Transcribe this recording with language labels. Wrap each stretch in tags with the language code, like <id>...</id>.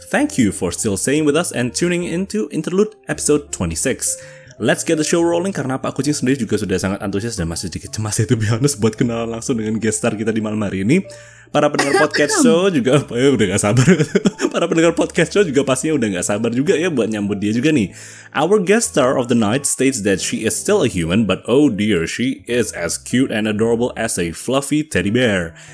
<en>Thank you for still staying with us and tuning into Interlude episode 26. Let's get the show rolling</en> <id>karena Pak Kucing sendiri juga sudah sangat antusias dan masih sedikit cemas itu</id> <en>be honest</en> <id>buat kenalan langsung dengan guest star kita di malam hari ini. Para pendengar podcast show juga udah enggak sabar. Para pendengar podcast show juga pastinya udah enggak sabar juga ya buat nyambut dia juga nih.</id> <en>Our guest star of the night states that she is still a human but oh dear, she is as cute and adorable as a fluffy teddy bear.</en>